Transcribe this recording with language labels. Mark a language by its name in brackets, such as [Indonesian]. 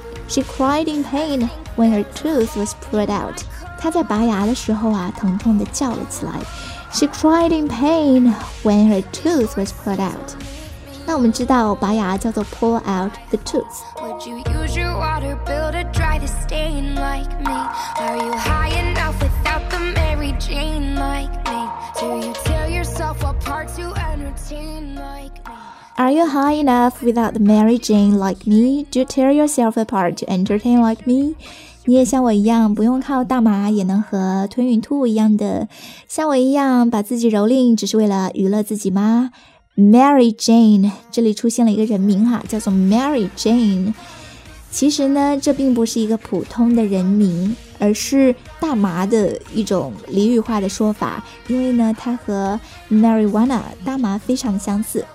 [English] She cried in pain when her tooth was pulled out. [Chinese] 她在拔牙的时候啊，疼痛地叫了起来。 [English] She cried in pain when her tooth was pulled out. [Chinese] 那我们知道拔牙叫做 [English] pull out the tooth。Would you use your water bill to dry the stain like me? Are you high enough without the Mary Jane like me? Do you tell yourself what parts you entertain like me? Are you high enough without the Mary Jane like me? Do you tear yourself apart to entertain like me? [Chinese] 你也像我一样不用靠大麻也能和吞云兔一样的，像我一样把自己蹂躏只是为了娱乐自己吗？ Mary Jane， 这里出现了一个人名哈，叫做 Mary Jane。其实呢这并不是一个普通的人名，而是大麻的一种俚语化的说法，因为呢它和 Marijuana 大麻非常相似。